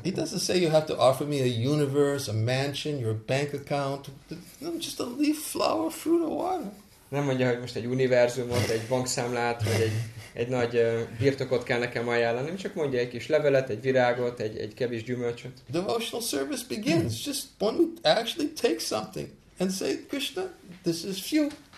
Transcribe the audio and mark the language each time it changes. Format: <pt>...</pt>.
<hu>neked.</hu> <en>He doesn't say you have to offer me a universe, a mansion, your bank account. No, just a leaf, flower, fruit, or water.</en> <hu>Nem mondja, hogy most egy univerzumot, egy bankszámlát, vagy egy nagy birtokot kell nekem ajánlani. Csak mondja egy kis levelet, egy virágot, egy kevés gyümölcsöt.</hu> <en>Devotional service begins. Just when we actually take something and say, Krishna, this is for you.</en>